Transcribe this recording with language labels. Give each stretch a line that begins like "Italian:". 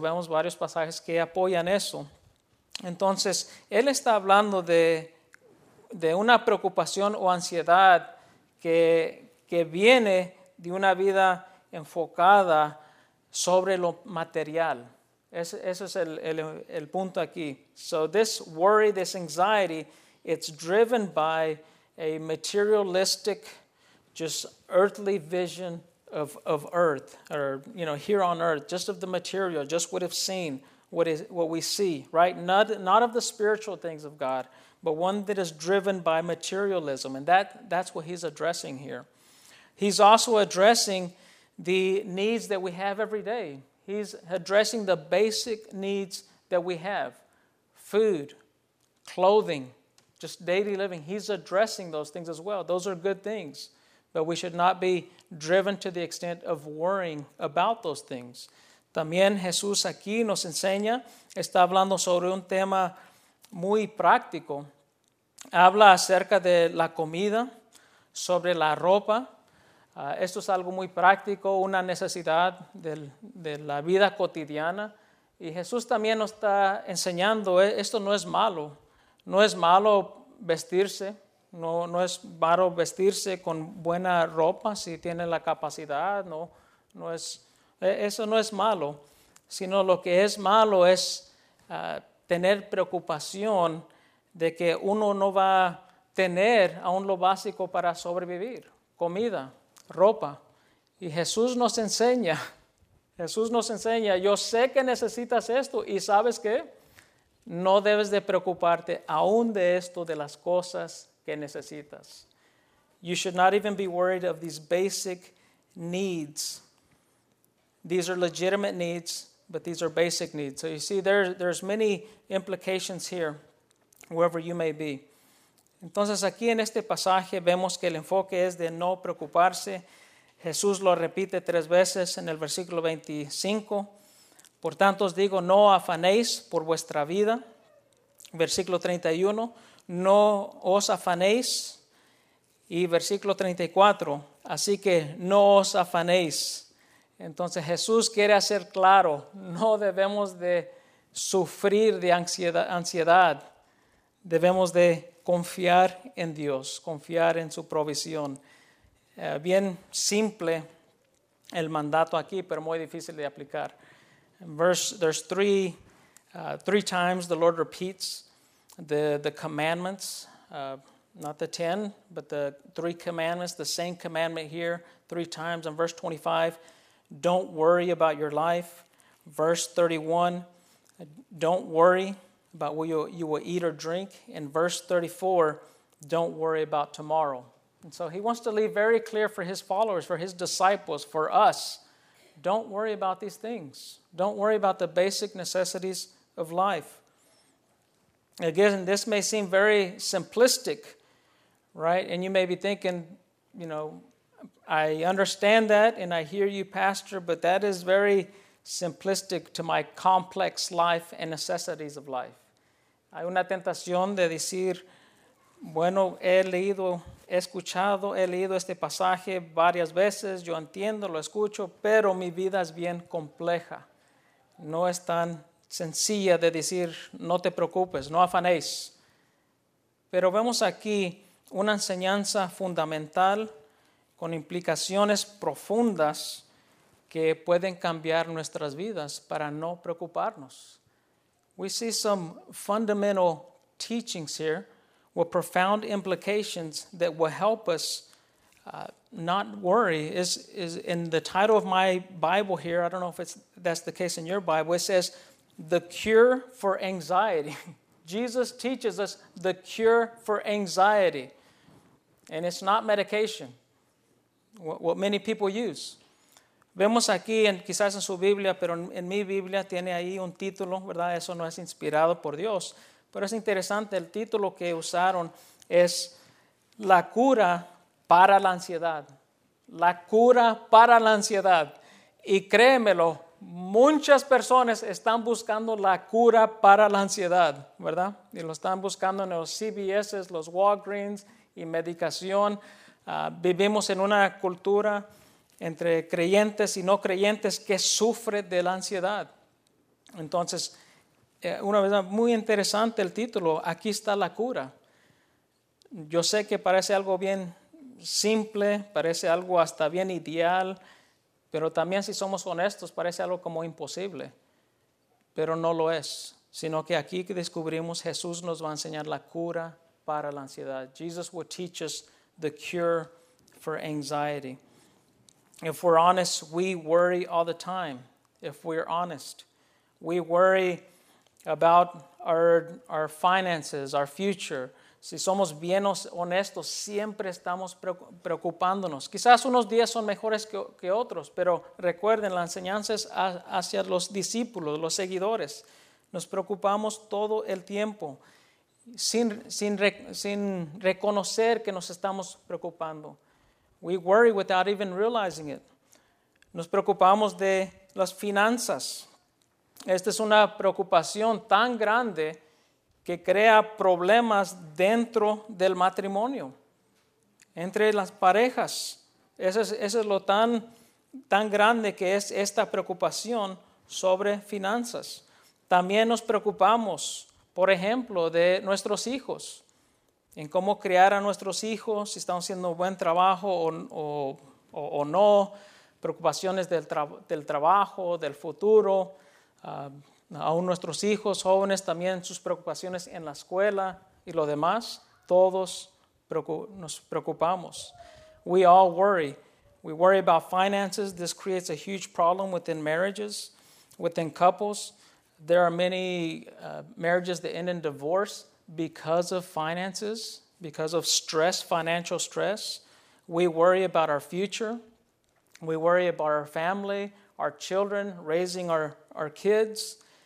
Spanish: Vemos varios pasajes que apoyan eso. Entonces, él está hablando de una preocupación o ansiedad que viene de una vida enfocada sobre lo material. Eso es el punto aquí.
English: So this worry, this anxiety, it's driven by a materialistic, just earthly vision of earth, or, you know, here on earth, just of the material, just what I've seen. What we see, right? Not of the spiritual things of God, but one that is driven by materialism. And that's what he's addressing here. He's also addressing the needs that we have every day. He's addressing the basic needs that we have. Food, clothing, just daily living. He's addressing those things as well. Those are good things. But we should not be driven to the extent of worrying about those things.
Spanish: También Jesús aquí nos enseña, está hablando sobre un tema muy práctico. Habla acerca de la comida, sobre la ropa. Esto es algo muy práctico, una necesidad de la vida cotidiana. Y Jesús también nos está enseñando, esto no es malo. No es malo vestirse, no es malo vestirse con buena ropa si tiene la capacidad, no es... Eso no es malo, sino lo que es malo es tener preocupación de que uno no va a tener aún lo básico para sobrevivir, comida, ropa. Y Jesús nos enseña. Jesús nos enseña, yo sé que necesitas esto y ¿sabes qué? No debes de preocuparte aún de esto, de las cosas que necesitas.
English: You should not even be worried of these basic needs. These are legitimate needs, but these are basic needs. So you see, there's many implications here, wherever you may be.
Spanish: Entonces aquí en este pasaje vemos que el enfoque es de no preocuparse. Jesús lo repite tres veces en el versículo 25. Por tanto os digo, no afanéis por vuestra vida. Versículo 31, no os afanéis. Y versículo 34, así que no os afanéis. Entonces Jesús quiere hacer claro, no debemos de sufrir de ansiedad. Debemos de confiar en Dios, confiar en su provisión. Bien simple el mandato aquí, pero muy difícil de aplicar.
English: There's three times the Lord repeats the commandments, not the 10, but the three commandments, the same commandment here, three times. In verse 25, don't worry about your life. Verse 31, don't worry about what you will eat or drink. In verse 34, don't worry about tomorrow. And so he wants to leave very clear for his followers, for his disciples, for us. Don't worry about these things. Don't worry about the basic necessities of life. Again, this may seem very simplistic, right? And you may be thinking, you know, I understand that and I hear you, Pastor, but that is very simplistic to my complex life and necessities of life.
Spanish: Hay una tentación de decir, bueno, he leído este pasaje varias veces, yo entiendo, lo escucho, pero mi vida es bien compleja. No es tan sencilla de decir, no te preocupes, no afanéis. Pero vemos aquí una enseñanza fundamental con implicaciones profundas que pueden cambiar nuestras vidas para no preocuparnos.
English: We see some fundamental teachings here with profound implications that will help us not worry. Is in the title of my Bible here, I don't know if that's the case in your Bible, it says, the cure for anxiety. Jesus teaches us the cure for anxiety. And it's not medication, what many people use.
Spanish: Vemos aquí, quizás en su Biblia, pero en mi Biblia tiene ahí un título, ¿verdad? Eso no es inspirado por Dios. Pero es interesante, el título que usaron es La cura para la ansiedad. La cura para la ansiedad. Y créemelo, muchas personas están buscando la cura para la ansiedad, ¿verdad? Y lo están buscando en los CVS, los Walgreens y medicación. Vivimos en una cultura entre creyentes y no creyentes que sufre de la ansiedad. Entonces, una vez más, muy interesante el título, aquí está la cura. Yo sé que parece algo bien simple, parece algo hasta bien ideal, pero también si somos honestos, parece algo como imposible, pero no lo es, sino que aquí que descubrimos, Jesús nos va a enseñar la cura para la ansiedad.
English: Jesus will teach us the cure for anxiety. If we're honest, we worry all the time. If we're honest, we worry about our finances, our future.
Spanish: Si somos bien honestos, siempre estamos preocupándonos. Quizás unos días son mejores que otros, pero recuerden, la enseñanza es hacia los discípulos, los seguidores. Nos preocupamos todo el tiempo sin reconocer que nos estamos preocupando.
English: We worry without even realizing it.
Spanish: Nos preocupamos de las finanzas. Esta es una preocupación tan grande que crea problemas dentro del matrimonio, entre las parejas. Eso es lo tan grande que es esta preocupación sobre finanzas. También nos preocupamos, por ejemplo, de nuestros hijos, en cómo criar a nuestros hijos, si estamos haciendo un buen trabajo o no, preocupaciones del trabajo, del futuro. Aún nuestros hijos jóvenes también sus preocupaciones en la escuela y lo demás, todos nos preocupamos.
English: We all worry We worry about finances. This creates a huge problem within marriages, within couples. There are many marriages that end in divorce because of finances, because of stress, financial stress. We worry about our future. We worry about our family, our children, raising our kids.